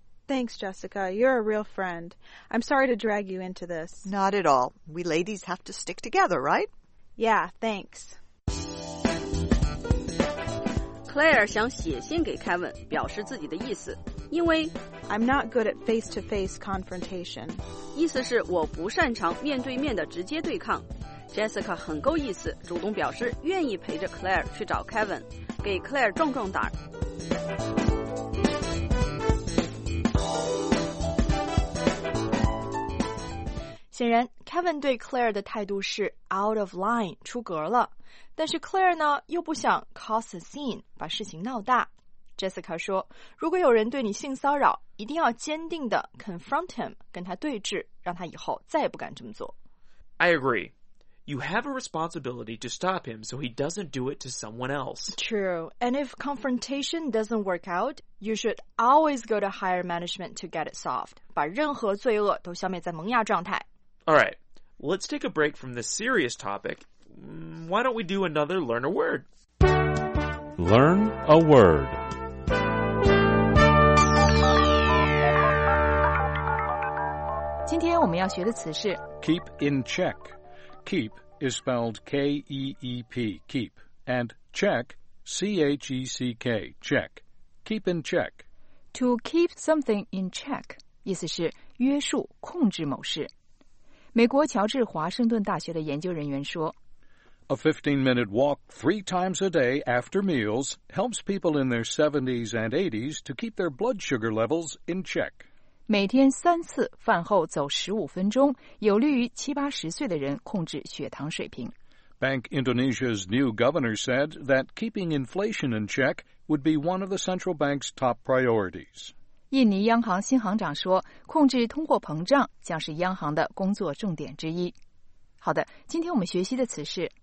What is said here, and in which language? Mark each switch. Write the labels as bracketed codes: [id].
[en] Thanks, Jessica. You're a real friend. I'm sorry to drag you into this. Not at all. We ladies have to stick together, right? Yeah, thanks. [zh] Claire 想写信给 Kevin 表示自己的意思，因为 [en] I'm not good at face-to-face confrontation. [zh] 意思是我不擅长面对面的直接对抗。 Jessica 很够意思，主动表示愿意陪着 Claire 去找 Kevin， 给 Claire 壮壮胆。显然 Kevin 对 Claire 的态度是 out of line，出格了。但是 Claire 呢又不想 cause a scene，把事情闹大。 Jessica 说，如果有人对你性骚扰，一定要坚定地 confront him，跟他对峙，让他以后再也不敢这么做。 [en] I agree. You have a responsibility to stop him so he doesn't do it to someone else. True. And if confrontation doesn't work out, you should always go to higher management to get it solved. [zh] 把任何罪恶都消灭在萌芽状态。 [en] Alright, let's take a break from this serious topic. Why don't we do another Learn a Word? Learn a Word. [zh] Today, 我们要学的词是 [en] keep in check. Keep is spelled K-E-E-P, keep. And check, C-H-E-C-K, check. Keep in check. [zh] To keep something in check, 意思是约束、控制某事。美国乔治华盛顿大学的研究人员说 [en] A 15-minute walk 3 times a day after meals helps people in their 70s and 80s to keep their blood sugar levels in check. [zh] 每天三次饭后走15分钟有利于七八十岁的人控制血糖水平。 [en] Bank Indonesia's new governor said that keeping inflation in check would be one of the central bank's top priorities. [zh] 印尼央行新行长说，控制通货膨胀将是央行的工作重点之一。好的，今天我们学习的词是